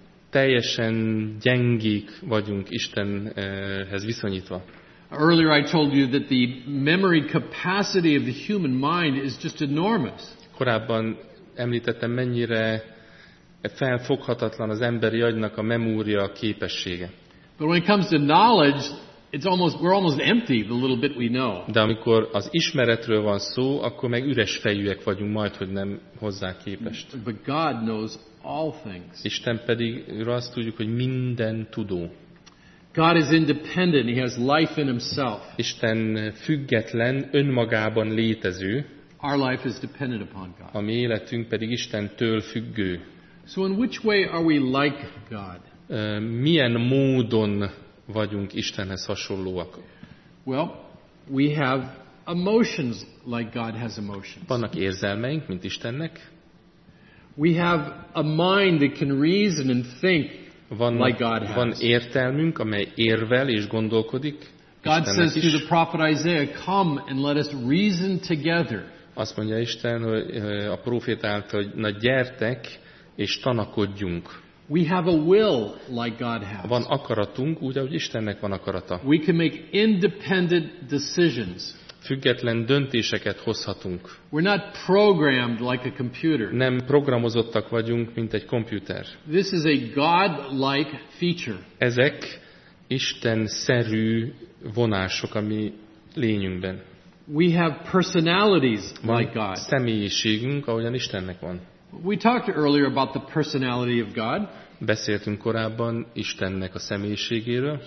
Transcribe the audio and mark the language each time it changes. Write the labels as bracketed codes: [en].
[hu] Teljesen gyengék vagyunk Istenhez viszonyítva. [en] Earlier I told you that the memory capacity of the human mind is just enormous. [hu] Korábban említettem, mennyire felfoghatatlan az emberi agynak a memória képessége. [en] But when it comes to knowledge, we're almost empty the little bit we know. [hu] De amikor az ismeretről van szó, akkor meg üres fejűek vagyunk, majd hogy nem hozzá képest. [en] But God knows all things. [hu] Isten pedig, azt tudjuk, hogy minden tudó. [en] God is independent. He has life in himself. [hu] Isten független, önmagában létező. [en] Our life is dependent upon God. [hu] A mi életünk pedig Istentől függő. [en] So in which way are we like God? [hu] Milyen módon vagyunk Istenhez hasonlóak? [en] Well, we have emotions like God has emotions. [hu] Vannak érzelmeink, mint Istennek. [en] We have a mind that can reason and think. [hu] Van értelmünk, amely érvel és gondolkodik. [en] God says to the prophet Isaiah, "Come and let us reason together." [hu] Azt mondja Isten, hogy a prófét által, hogy na gyertek és tanakodjunk. [en] We have a will like God has. [hu] Van akaratunk, úgy, ahogy Istennek van akarata. [en] We can make independent decisions. [hu] Független döntéseket hozhatunk. [en] We're not programmed like a computer. [hu] Nem programozottak vagyunk, mint egy komputer. [en] This is a God-like feature. [hu] Ezek Isten-szerű vonások a mi lényünkben. [en] We have personalities like God. [hu] Van személyiségünk, ahogyan Istennek van. [en] We talked earlier about the personality of God. [hu] Beszéltünk korábban Istennek a személyiségéről.